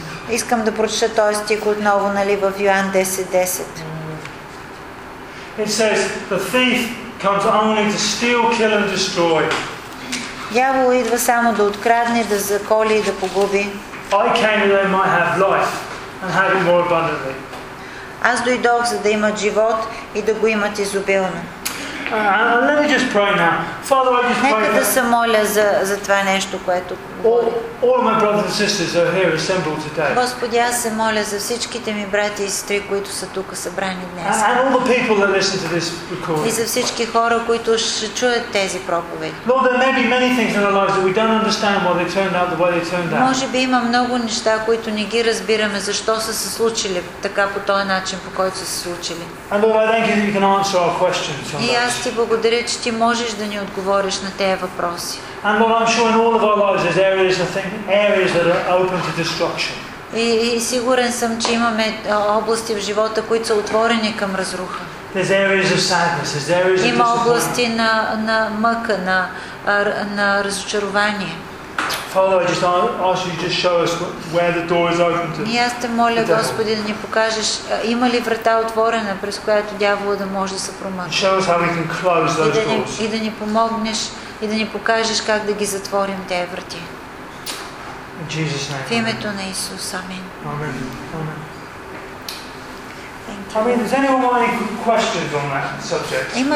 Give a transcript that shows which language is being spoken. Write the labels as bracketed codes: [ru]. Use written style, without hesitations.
[bg] Искам да проча този стих отново, нали, в Йоан 10:10. [en] It says the thief comes only to steal, kill and destroy. [bg] Дявол идва само да открадне, да заколи и да погуби. [en] I came that they might have life and have it more abundantly. [bg] Аз дойдох, за да имат живот и да го имат изобилно. [en] Let me just pray now. Father, I just [bg] нека [en] pray [bg] да се моля за това нещо, което [en] all my brothers and sisters are here assembled today. [bg] Господи, аз се моля за всичките ми брати и сестри, които са тук събрани днес. [en] And all the people that listen to this recording. [bg] И за всички хора, които ще чуят тези проповеди. [en] Lord, there may be many things in our lives that we don't understand why they turned out the way they turned out. [bg] Може би има много неща, които не ги разбираме защо са се случили така, по този начин, по който са се случили. [en] And Lord, I thank you that you can answer our questions. [bg] Аз ти благодаря, че ти можеш да ни отговориш на тези въпроси. [en] And Lord, I'm sure in all of our lives there's areas that are open to destruction. [bg] И сигурен съм, че имаме области в живота, които са отворени към разруха. [en] There's areas of sadness, there's areas of disappointment. [bg] Има области на мъка, на разочарование. [en] Father, I just ask you to just show us where the door is open to. [bg] Аз те моля, Господи, да ни покажеш има ли врата отворена, през която дявола да може да се промъкне. [en] Show us how we can close those doors. [bg] И да ни помогнеш и да ни покажеш как да ги затворим тези врати. [en] In Jesus' name. [bg] В името на Исус. Амин. Амин. [en] I mean, is anyone any questions on that subject?